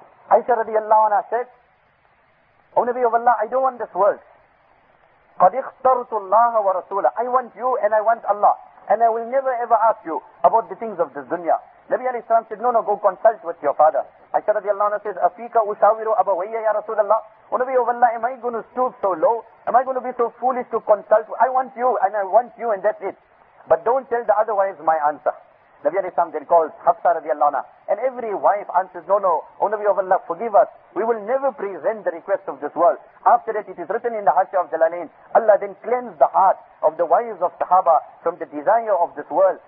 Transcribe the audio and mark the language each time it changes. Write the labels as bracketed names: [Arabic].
[English] Aisha radiallahu anha said, oh Nabi of Allah, I don't want this world. [Arabic] قَدْ اخْتَرْتُ اللَّهَ وَرَسُولَهُ. [English] I want you and I want Allah. And I will never ever ask you about the things of this dunya. Nabi alayhi salam said, no, go consult with your father. Aisha radiallahu anha says, [Arabic] أَفِيكَ أُشَاوِرُ أَبَوَيَّ يَا رَسُولَ اللَّهُ. [English] O Nabi of Allah, am I going to stoop so low? Am I going to be so foolish to consult? I want you and I want you and that's it. But don't tell the other wives my answer. Nabi alayhi salam then calls Hafsa radiallahu anha. And every wife answers, no, O Nabi of Allah, forgive us. We will never present the request of this world. After that, it is written in the Hashya of Jalalain, Allah then cleansed the heart of the wives of Sahaba from the desire of this world.